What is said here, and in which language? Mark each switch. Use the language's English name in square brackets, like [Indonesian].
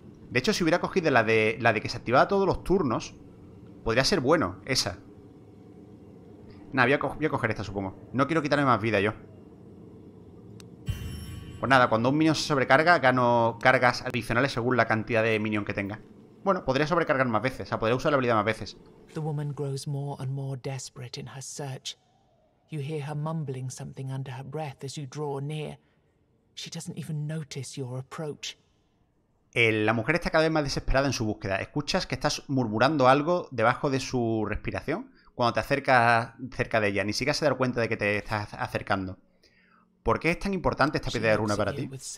[Spanish] De hecho, si hubiera cogido la de que se activaba todos los turnos, podría ser bueno, esa. Nada, voy a coger esta, supongo. No quiero quitarme más vida yo. Pues nada, cuando un minion se sobrecarga, gano cargas adicionales según la cantidad de minion que tenga. Bueno, podría sobrecargar más veces, o sea, podría usar la habilidad más veces. [English] The woman grows more and more desperate in her search. You hear her mumbling something under her breath as you draw near. She doesn't even notice your approach. [Spanish] La mujer está cada vez más desesperada en su búsqueda. Escuchas que estás murmurando algo debajo de su respiración cuando te acercas cerca de ella. Ni siquiera se da cuenta de que te estás acercando. ¿Por qué es tan importante esta piedra de runa para ti?